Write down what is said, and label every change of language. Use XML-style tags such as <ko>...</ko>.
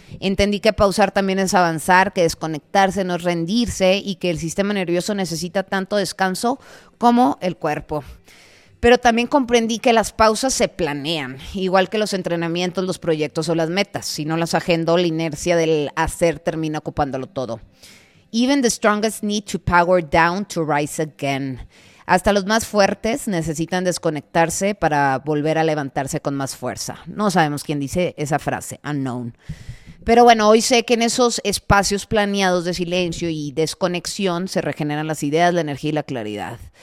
<es>Entendí que pausar también es avanzar, que desconectarse no es rendirse y que el sistema nervioso necesita tanto descanso como el cuerpo. Pero también comprendí que las pausas se planean, igual que los entrenamientos, los proyectos o las metas. Si no las agendo, la inercia del hacer termina ocupándolo todo.</es> <en>Even the strongest need to power down to rise again.</en> <es>Hasta los más fuertes necesitan desconectarse para volver a levantarse con más fuerza. No sabemos quién dice esa frase, unknown. Pero bueno, hoy sé que en esos espacios planeados de silencio y desconexión se regeneran las ideas, la energía y la claridad.</es>